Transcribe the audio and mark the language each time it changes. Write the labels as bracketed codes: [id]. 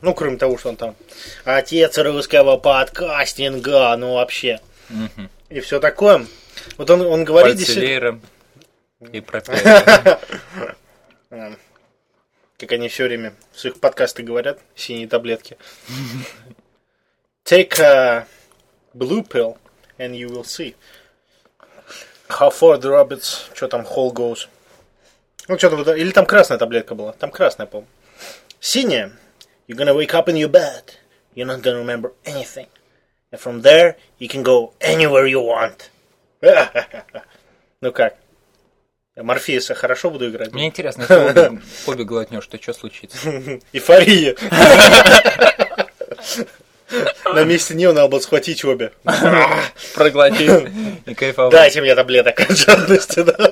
[ru] Ну, кроме того, что он там отец русского подкастинга, ну вообще. И все такое. Вот он говорит... И пропели. Как они все время в своих подкастах говорят, синие таблетки. [en] Take a blue pill and you will see how far the rabbits, [ru] что там, [en] hole goes. [ru] Ну, что-то вот, или там красная таблетка была. Там красная, по-моему. Синяя. [en] You're gonna wake up in your bed. You're not gonna remember anything. And from there, you can go anywhere you want. [ru] Ну как? Морфеуса хорошо буду играть. Мне интересно, если обе глотнешь, то что случится? Эйфория. На месте нее надо было схватить обе. Проглотить и кайфовать. Дайте мне таблеток от жадности.